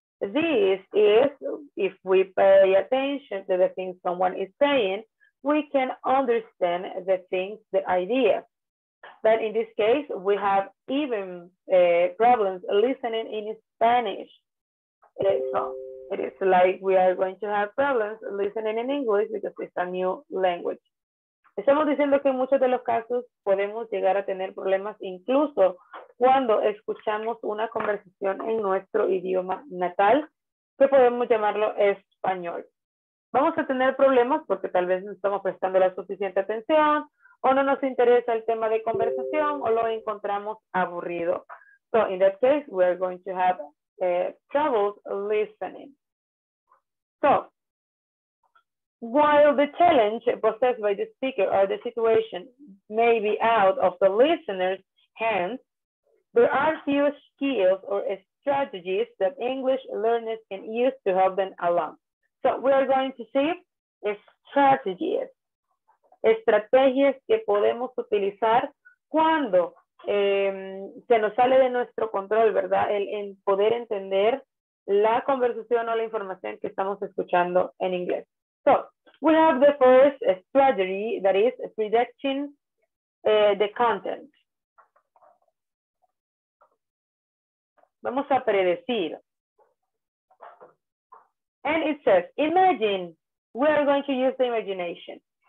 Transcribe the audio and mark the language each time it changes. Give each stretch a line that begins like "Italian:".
English: This is, if we pay attention to the things someone is saying, we can understand the things, the idea. But in this case, we have even problems listening in Spanish. So it is like we are going to have problems listening in English because it's a new language.
Spanish: Estamos diciendo que en muchos de los casos podemos llegar a tener problemas incluso cuando escuchamos una conversación en nuestro idioma natal, que podemos llamarlo español. Vamos a tener problemas porque tal vez no estamos prestando la suficiente atención o no nos interesa el tema de conversación o lo encontramos aburrido.
English: So in that case, we are going to have troubles listening. So, while the challenge possessed by the speaker or the situation may be out of the listener's hands, there are few skills or strategies that English learners can use to help them along. So we are going to see strategies.
Spanish: Estrategias que podemos utilizar cuando se nos sale de nuestro control, ¿verdad? El poder entender la conversación o la información que estamos escuchando en inglés.
English: So, we have the first strategy, that is predicting the content.
Spanish: Vamos a predecir.
English: And it says, imagine, we are going to use the imagination.